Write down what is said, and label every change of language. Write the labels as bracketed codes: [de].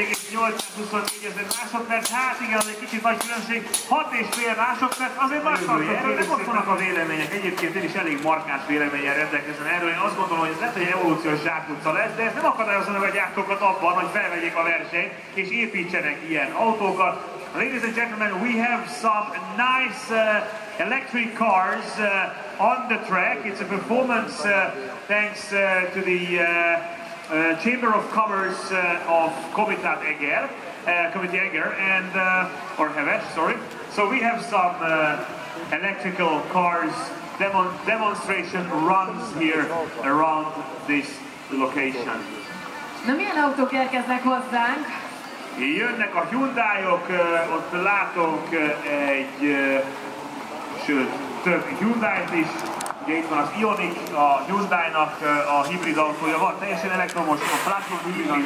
[hu] 4,824 ezer másodperc, hát igen, egy kicsit nagy különbség, 6,5 másodperc, azért más tartott, de ott vannak a vélemények. Egyébként én is elég markáns véleményen rendelkezem erről. Én azt gondolom, hogy ez lehet, hogy egy evolúciós zsákutca lesz, de ez nem akadályozza meg a gyártókat abban, hogy felvegyék a versenyt, és építsenek ilyen autókat. [en] Ladies and gentlemen, we have some nice electric cars on the track. It's a performance thanks to the Chamber of Commerce of Komitát Eger, Komitát Eger, and or Heves, sorry. So we have some electrical cars demonstration runs here around this location. [hu] Na, milyen autók érkeznek hozzánk? Jönnek a Hyundaiok, ott látok egy, sőt, több Hyundait is. Ugye itt van az Ioniq, a Hyundai-nak a hibrid autója van, teljesen elektromos, a plug-in hibrid.